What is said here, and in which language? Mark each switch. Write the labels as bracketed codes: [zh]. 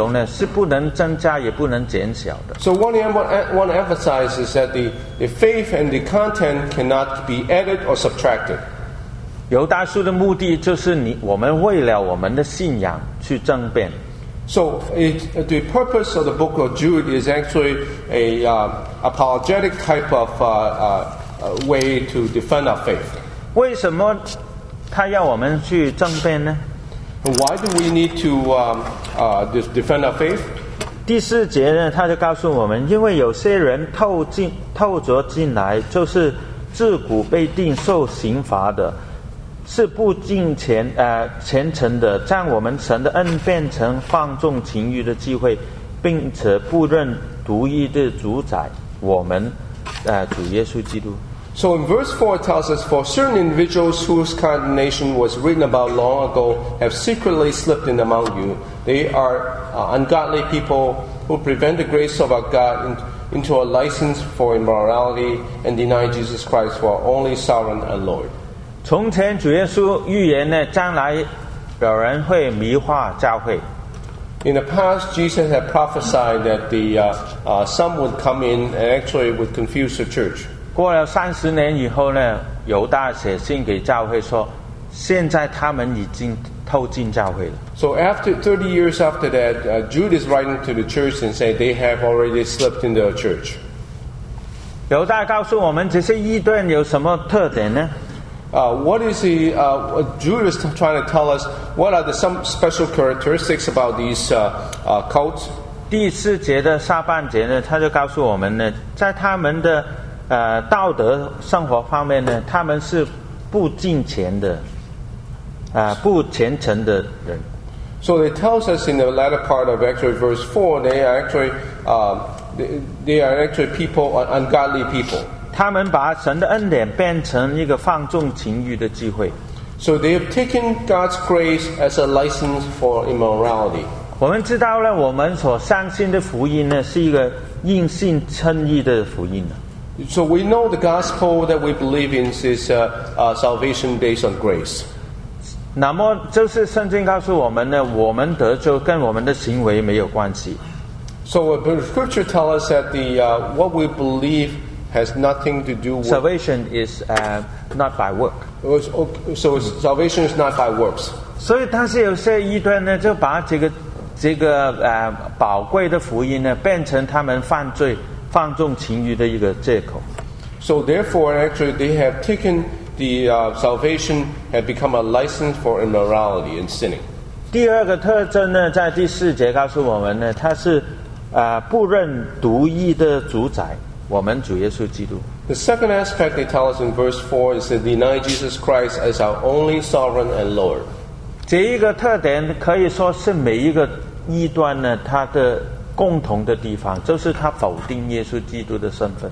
[zh] 所以呢，他希望我们了解呢，我们所相信的这个信仰的内容呢，是不能增加也不能减小的。 [en] So what I want to emphasize is that the faith and the content cannot be added or subtracted. [zh] 犹大书的目的就是我们为了我们的信仰去争辩。 [en] So the purpose of the book of Jude is actually an apologetic type of way to defend our faith. [zh] 为什么他要我们去争辩呢? [en] Why do we need to defend our faith? [zh] 第四节呢，他就告诉我们，因为有些人透着进来，就是自古被定受刑罚的。是不敬虔虔诚的，将我们神的恩变成放纵情欲的机会，并且不认独一的主宰我们，主耶稣基督。 [en] So in verse 4 it tells us, for certain individuals whose condemnation was written about long ago have secretly slipped in among you. They are ungodly people who prevent the grace of our God into a license for immorality and deny Jesus Christ, who are only sovereign and Lord. [zh] 从前主耶稣预言呢，将来有人会迷惑教会。 [en] In the past, Jesus had prophesied that the some would come in and actually would confuse the church. [zh] 过了三十年以后呢，犹大写信给教会说，现在他们已经偷进教会了。 [en] So after 30 years after that, Jude is writing to the church and say they have already slipped into the church. [zh] 犹大告诉我们这些异端有什么特点呢？ [en] Jude is trying to tell us what are some special characteristics about these cults. [zh] 第四节的下半节呢，他就告诉我们呢，在他们的道德生活方面呢，他们是不敬虔的，不虔诚的人。 [en] So it tells us in the latter part of actually verse 4, they are actually people, ungodly people. [zh] 他们把神的恩典变成一个放纵情欲的机会。 [en] So they have taken God's grace as a license for immorality. [zh] 我们知道了，我们所相信的福音呢，是一个因信称义的福音。 [en] So we know the gospel that we believe in is a salvation based on grace. [zh] 那么就是圣经告诉我们呢，我们得救跟我们的行为没有关系。 [en] So the scripture tells us that what we believe. Has nothing to do with salvation is not by work. So salvation is not by works. [zh] 所以，但是有些异端呢，就把这个宝贵的福音呢，变成他们犯罪、放纵情欲的一个借口。 [en] So therefore, actually, they have taken the salvation have become a license for immorality and sinning. [zh] 第二个特征呢，在第四节告诉我们呢，他是不认独义的主宰。我们主耶稣基督。 [en] The second aspect they tell us in verse 4 is to deny Jesus Christ as our only sovereign and Lord. [zh] 这一个特点可以说是每一个异端呢他的共同的地方，就是他否定耶稣基督的身份。